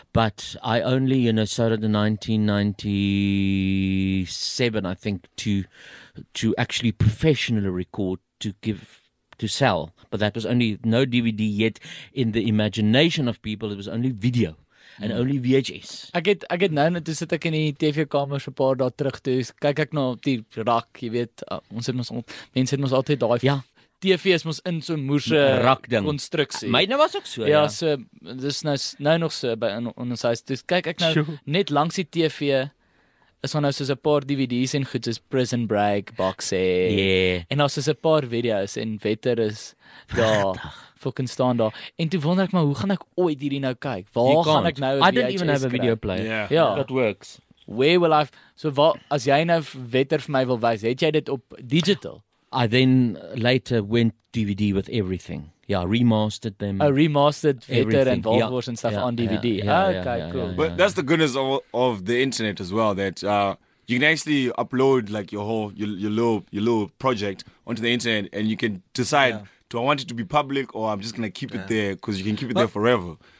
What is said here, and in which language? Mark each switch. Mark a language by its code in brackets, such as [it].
[en] But I only, you know, started in 1997, I think, to actually professionally record to sell, but that was only no DVD yet in the imagination of people. It was only video and only VHS. [af] I get nou net sit ek in die TV kamer so 'n paar dae terug toe kyk ek na die rak, jy weet, ons het mense het altyd daai TV is mos in so moerse rak ding konstruksie. Myne was ook so. Ja, so dis nou nog so by in ons huis. Dus kyk ek nou net langs die TV is ons nou soos 'n paar DVD's en goed, soos Prison Break, Boxer. [en] Yeah. [af] En ons soos 'n paar video's en Wetter is daar, fucking staan daar. En toe wonder ek maar, hoe gaan ek ooit hierdie nou kyk? Waar gaan ek nou 'n VHS kry? [en] I didn't even have a video player. Yeah. Yeah. That works. Where will I... [af] So as jy nou Wetter vir my wil wys, het jy dit op digital? [en] I then later went DVD with everything. Yeah, remastered them. Oh, remastered Wetter and Vault Wars and stuff on DVD. Okay, cool. But that's the goodness of the internet as well, that you can actually upload like your little project onto the internet, and you can decide, do I want it to be public or I'm just going to keep it there, because you can keep it there forever.